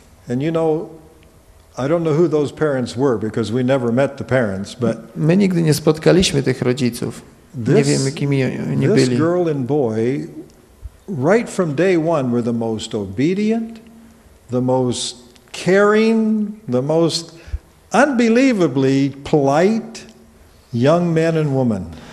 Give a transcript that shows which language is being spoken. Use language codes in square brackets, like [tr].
[en] And you know, I don't know who those parents were because we never met the parents, but [pl] my nigdy nie spotkaliśmy tych rodziców. Nie wiemy, kimi oni byli. [en] This girl and boy, right from day one, were the most obedient, the most caring, the most unbelievably polite young men and women.